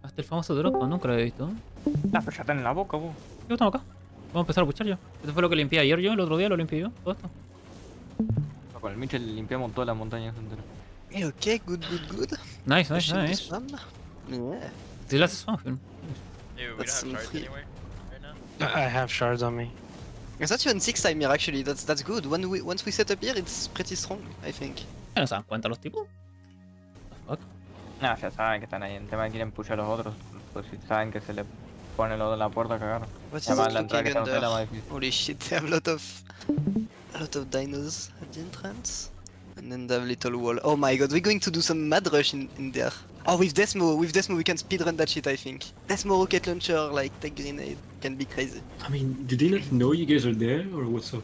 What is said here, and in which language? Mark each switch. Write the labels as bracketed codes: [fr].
[es] Hasta el famoso drop, nunca lo había visto. La flecha está en la boca, vos. Yo estamos acá. Vamos a empezar a puchar ya. Esto fue lo que limpié ayer yo, el otro día lo limpié yo. Todo esto. Con el Mitchell limpiamos toda la montaña entera. [en] Okay, good, good, good. Nice, nice, nice. Yeah. Dude, that's a smoke. Dude, we don't have shards anywhere right now. I have shards on me. Is that you in 6 time here actually? That's good. Once we set up here, it's pretty strong, I think. [es] ¿No se dan cuenta los tipos? Nah, ya saben que están ahí. El tema es que quieren push a los otros. Pues si saben que se le pone lo de la puerta, cagaron. Además, la entrada que se hace la más difícil. [en] Holy shit, they have a lot of dinos at the entrance. And then they have little wall. Oh my god, we're going to do some mad rush in there. Oh, with Desmo, we can speedrun that shit, I think. Desmo rocket launcher, like, take grenade. Can be crazy. I mean, did they not know you guys are there, or what's up?